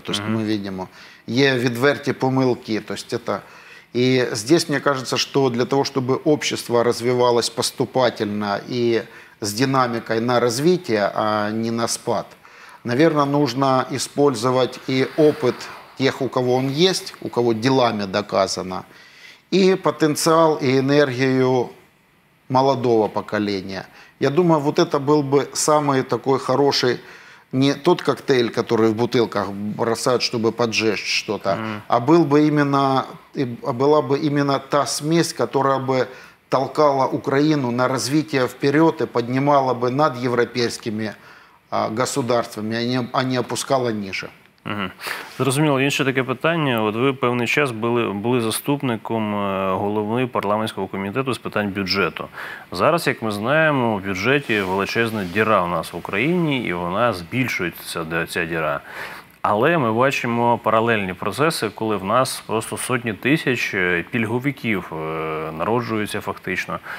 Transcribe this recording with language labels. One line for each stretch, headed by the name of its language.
Ukrainian: То есть ми видимо, є відверті помилки.
Russian: То есть это... И здесь мне кажется, что для того, чтобы общество развивалось поступательно и с динамикой на развитие, а не на спад, наверное, нужно использовать и опыт тех, у кого он есть, у кого делами доказано, и потенциал, и энергию молодого поколения. Я думаю, вот это был бы самый такой хороший, не тот коктейль, который в бутылках бросают, чтобы поджечь что-то, а был бы именно, была бы именно та смесь, которая бы толкала Украину на развитие вперед и поднимала бы над европейскими государствами, а не опускала ниже.
Ukrainian: Зрозуміло. Інше таке питання. От ви певний час були заступником голови парламентського комітету з питань бюджету. Зараз, як ми знаємо, в бюджеті величезна діра у нас в Україні, і вона збільшується, ця діра. Але ми бачимо паралельні процеси, коли в нас просто сотні тисяч пільговиків народжуються фактично.